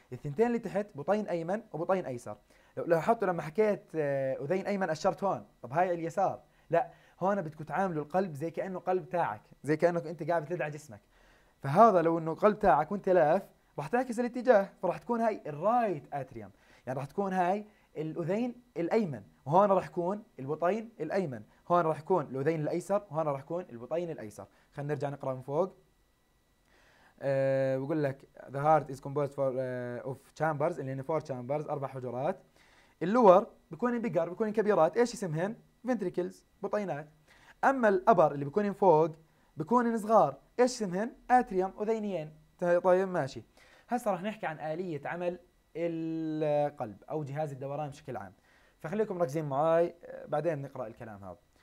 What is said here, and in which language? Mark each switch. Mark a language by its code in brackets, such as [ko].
[ar] الثنتين اللي تحت بطين ايمن وبطين ايسر. لو لاحظتوا لما حكيت اذين ايمن اشرت هون، طب هاي اليسار؟ لا، هون بدكم تعاملوا القلب زي كانه قلب تاعك، زي كانك انت قاعد تدعى جسمك. فهذا لو انه قلب تاعك وانت لاف راح تعكس الاتجاه، فراح تكون هاي الرايت اتريوم، يعني راح تكون هاي الاذين الايمن، وهون راح يكون البطين الايمن، هون راح يكون الاذين الايسر، وهون راح يكون البطين الايسر. خلينا نرجع نقرا من فوق. بقول لك [en] the heart is composed for of chambers، [ar] اللي هن [en] 4 chambers، [ar] 4 حجرات. اللور بيكونين بيجر، بيكونين كبيرات، ايش اسمهن؟ فنتريكلز، بطينات. اما الابر اللي بيكونين فوق بيكونين صغار، ايش اسمهن؟ اتريوم، اذينيين. طيب ماشي، هسه راح نحكي عن اليه عمل القلب او جهاز الدوران بشكل عام، فخليكم ركزين معاي بعدين نقرا الكلام هذا.